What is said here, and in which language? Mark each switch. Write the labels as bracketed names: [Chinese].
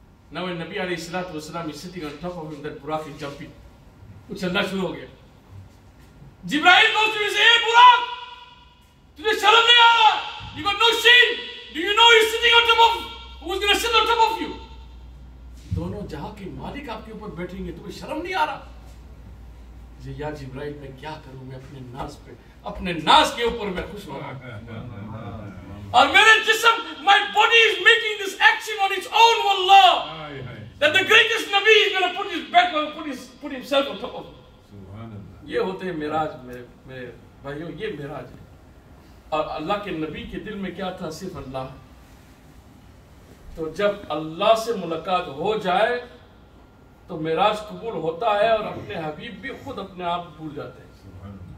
[English] Now when Nabi alayhi salatu wasalam is sitting on top of him, that Burak is jumping. [Urdu] وہ چلنا شروع ہو گیا. [English] Jibreel goes to him, say, hey, Burak, [Urdu] تجھے شرم نہیں آ رہا؟ [English] You got no shame? Do you know he's sitting on top of, who's going to sit on top of you? [Urdu] دونوں جہاں کے مالک آپ کے اوپر بیٹھیں گے, تمہیں شرم نہیں آ رہا؟ جی یا جبرائیل, میں کیا کروں, میں اپنے ناز پہ, اپنے ناز کے اوپر میں خوش ہو رہا ہوں. اور میرے جسم, [English] my body is making this action on its own, wallah, that the greatest nabi is going to put his back on, put himself on top of. [Urdu] یہ ہوتے ہیں میراج میرے بھائیوں, یہ میراج ہے. اور اللہ کے نبی کے دل میں کیا تھا؟ صرف اللہ. تو جب اللہ سے ملاقات ہو جائے تو میراج قبول ہوتا ہے, اور اپنے حبیب بھی خود اپنے آپ بھول جاتے ہیں.